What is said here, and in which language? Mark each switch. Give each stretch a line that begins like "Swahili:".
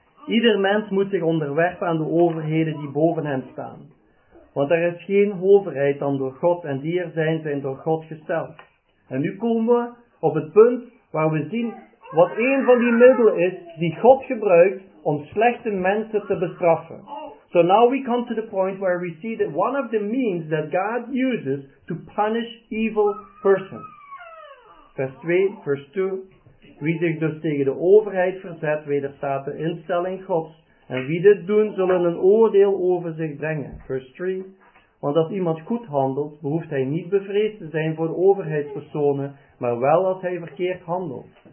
Dutch: Ieder mens moet zich onderwerpen aan de overheden die boven hem staan. Want er is geen overheid dan door God en die er zijn door God gesteld. En nu komen we op het punt waar we zien wat een van die middelen is die God gebruikt om slechte mensen te bestraffen.
English: So now we come to the point where we see that one of the means that God uses to punish evil persons.
Dutch: Vers 2, vers 2. Wie zich dus tegen de overheid verzet, wederstaat de instelling Gods. En wie dit doen, zullen een oordeel over zich brengen. Vers 3. Want als iemand goed handelt, behoeft hij niet bevreesd te zijn voor de overheidspersonen, maar wel als hij verkeerd handelt.